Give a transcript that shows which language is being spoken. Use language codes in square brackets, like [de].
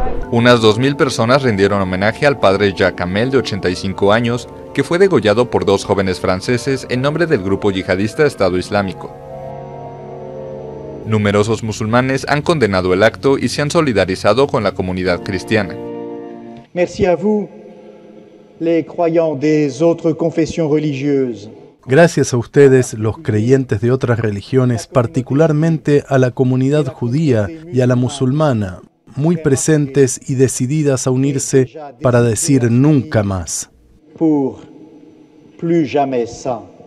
[es] Unas 2.000 personas rindieron homenaje al padre Jacques Hamel, de 85 años, que fue degollado por dos jóvenes franceses en nombre del grupo yihadista Estado Islámico. Numerosos musulmanes han condenado el acto y se han solidarizado con la comunidad cristiana. [fr] Merci à vous, les croyants des autres confessions religieuses. [es] Gracias a ustedes, los creyentes de otras religiones, particularmente a la comunidad judía y a la musulmana, muy presentes y decididas a unirse para decir nunca más. [fr] Pour plus jamais ça.